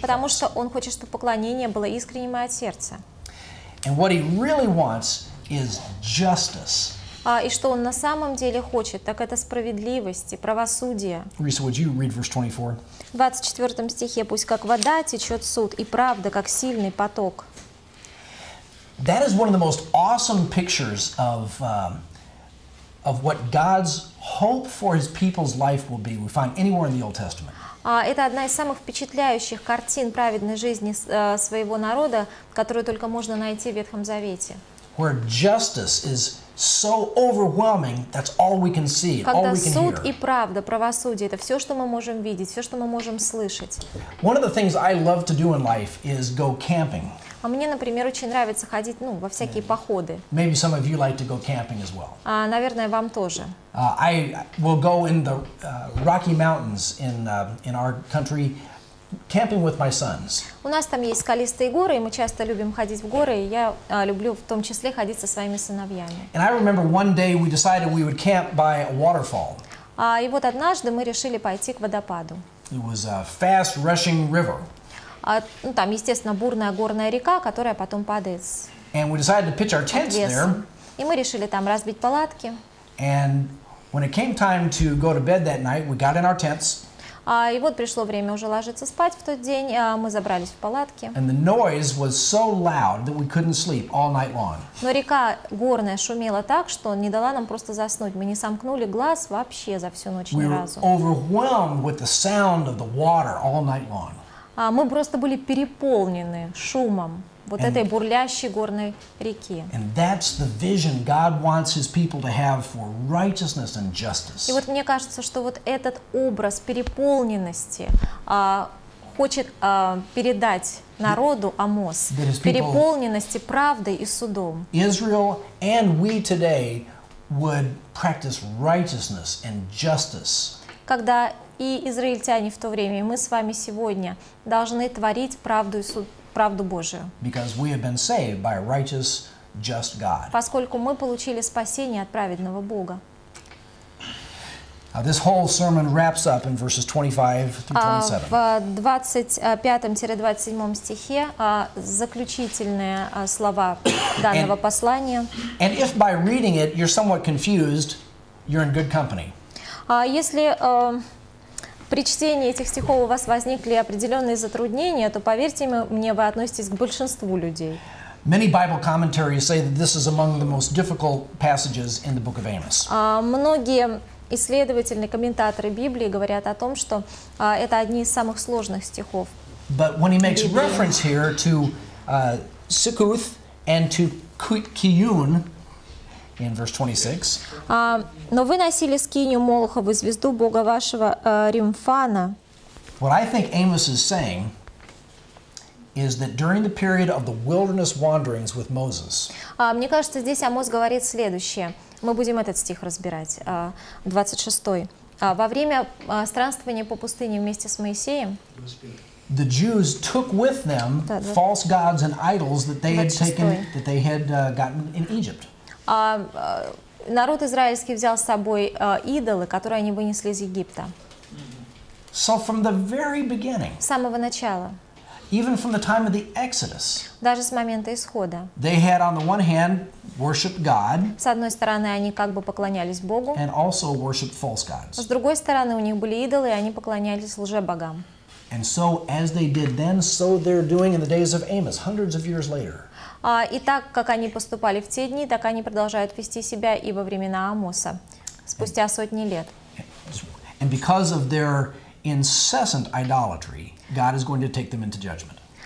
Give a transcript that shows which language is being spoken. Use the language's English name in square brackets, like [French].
[Russian] Потому что он хочет, чтобы поклонение было искренним и от сердца. [English] And what he really wants is justice. [Russian] И что он на самом деле хочет, так это справедливости, правосудия. [English] Риса, would you read verse 24? [Russian] В 24 стихе, пусть как вода течет суд, и правда, как сильный поток. [English] That is one of the most awesome pictures of what God's hope for his people's life will be, we find anywhere in the Old Testament. [Russian] Это одна из самых впечатляющих картин праведной жизни своего народа, которую только можно найти в Ветхом Завете. [English] Where justice is so overwhelming, that's all we can see, [Russian] когда [English] all we can hear. [Russian] Суд и правда, правосудие — это все, что мы можем видеть, все, что мы можем слышать. [English] One of the things I love to do in life is go camping. [Russian] А мне, например, очень нравится ходить, во всякие [English] Maybe. [Russian] Походы. [English] Maybe some of you like to go camping as well. [Russian] Наверное, вам тоже. [English] I will go in the Rocky Mountains in our country, camping with my sons. [Russian] У нас там есть скалистые горы, и мы часто любим ходить в горы, и я люблю в том числе ходить со своими сыновьями. [English] And I remember one day we decided we would camp by a waterfall. [Russian] И вот однажды мы решили пойти к водопаду. [English] It was a fast rushing river. [Russian] Там, естественно, бурная горная река, которая потом падает. [English] And we decided to pitch our tents there. [Russian] И мы решили там разбить палатки. [English] And when it came time to go to bed that night, we got in our tents. [Russian] И вот пришло время уже ложиться спать в тот день, мы забрались в палатки. [English] And the noise was so loud that we couldn't sleep all night long. [Russian] Но река горная шумела так, что не дала нам просто заснуть. Мы не сомкнули глаз вообще за всю ночь ни разу. [English] We were overwhelmed with the sound of the water all night long. [Russian] Мы просто были переполнены шумом вот этой бурлящей горной реки. [English] And that's the vision God wants his people to have for righteousness and justice. [Russian] И вот мне кажется, что вот этот образ переполненности хочет передать народу Амос. Переполненности правдой и судом. [English] Israel and we today would practice righteousness and justice. [Russian] Когда и израильтяне в то время, и мы с вами сегодня должны творить правду и суд, правду Божию. [English] Because we have been saved by a righteous, just God. [Russian] Поскольку мы получили спасение от праведного Бога. [English] This whole sermon wraps up in verses 25 through 27. [Russian] В 25-27 стихе заключительные слова данного послания. [English] And if by reading it you're somewhat confused, you're in good company. [Russian] Если при чтении этих стихов у вас возникли определенные затруднения, то, поверьте мне, вы относитесь к большинству людей. [English] Many Bible commentaries say that this is among the most difficult passages in the book of Amos. [Russian] Многие исследователи, комментаторы Библии говорят о том, что это одни из самых сложных стихов. [English] But when he makes reference here to Sukkoth and to Kiyun, in verse 26. [Russian] Но вы носили скинию Молохову, звезду Бога вашего Римфана. [English] What I think Amos is saying is that during the period of the wilderness wanderings with Moses. [Russian] Мне кажется, здесь Амос говорит следующее. Мы будем этот стих разбирать, 26-й. Во время странствования по пустыне вместе с Моисеем. [English] The Jews took with them false gods and idols that they had taken, that they had gotten in Egypt. [Russian] Народ израильский взял с собой идолы, которые они вынесли из Египта. [English] So from the very beginning, [Russian] с самого начала, [English] even from the time of the Exodus, [Russian] даже с момента исхода, [English] they had on the one hand worshiped God, [Russian] с одной стороны, они как бы поклонялись Богу, [English] and also worshiped false gods. [Russian] С другой стороны, у них были идолы, и они поклонялись лжебогам. [English] And so, as they did then, so they're doing in the days of Amos, hundreds of years later. [Russian] И так, как они поступали в те дни, так они продолжают вести себя и во времена Амоса, спустя сотни лет. [English] And because of their incessant idolatry, God is going to take them into judgment.